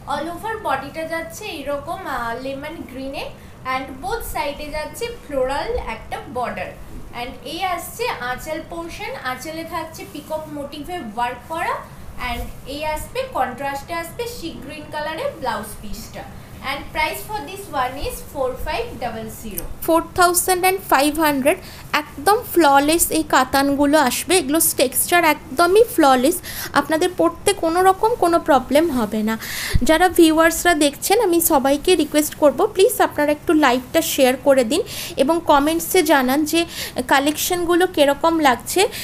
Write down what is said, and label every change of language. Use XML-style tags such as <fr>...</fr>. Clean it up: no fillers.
<bn>All over বডিটা যাচ্ছে এইরকম লেমন গ্রিনে অ্যান্ড বোথ সাইডে যাচ্ছে ফ্লোরাল একটা বর্ডার অ্যান্ড এই আসছে আঁচল পোর্শন. আঁচলে থাকছে পিকক মোটিভে ওয়ার্ক করা অ্যান্ড এই আসবে কন্ট্রাস্টে আসবে শিক গ্রিন কালারের ব্লাউজ পিসটা.</bn> <en>And price for this one is 4500. 4500</en> <bn>একদম ফ্ললেস এই কাতানগুলো আসবে, এগুলো টেক্সচার একদমই ফ্ললেস, আপনাদের পড়তে কোনো রকম কোনো প্রবলেম হবে না। যারা ভিউয়ার্সরা দেখছেন আমি সবাইকে রিকোয়েস্ট করব, প্লিজ আপনারা একটু লাইকটা শেয়ার করে দিন এবং কমেন্টসে জানান যে কালেকশনগুলো কিরকম লাগছে।</bn>